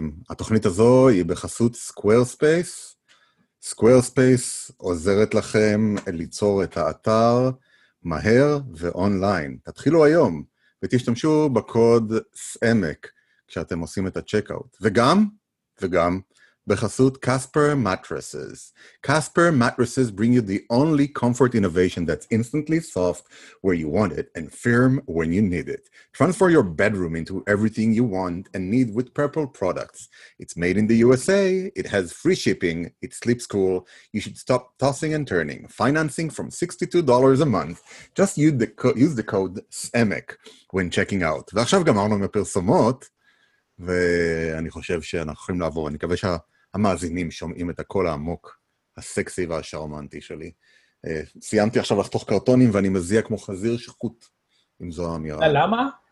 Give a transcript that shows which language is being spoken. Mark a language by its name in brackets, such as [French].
[Hebrew] התוכנית הזו היא בחסות Squarespace. Squarespace עוזרת לכם ליצור את האתר מהר ואונליין. תתחילו היום ותשתמשו בקוד סעמק, כשאתם עושים את הצ'קאוט. וגם, בחסות Casper Mattresses. [English] Casper Mattresses bring you the only comfort innovation that's instantly soft where you want it and firm when you need it. Transform your bedroom into everything you want and need with Purple products. It's made in the USA, it has free shipping, it sleeps cool, you should stop tossing and turning. Financing from $62 a month, just use the code SEMEC when checking out. [Hebrew] ועכשיו גמרנו עם הפרסומות, ואני חושב שאנחנו יכולים לעבור, אני מקווה שהמאזינים שומעים את הקול העמוק, הסקסי והשרמנטי שלי. סיימתי עכשיו לחתוך קרטונים ואני מזיע כמו חזיר שחוט, אם זו האמירה. למה?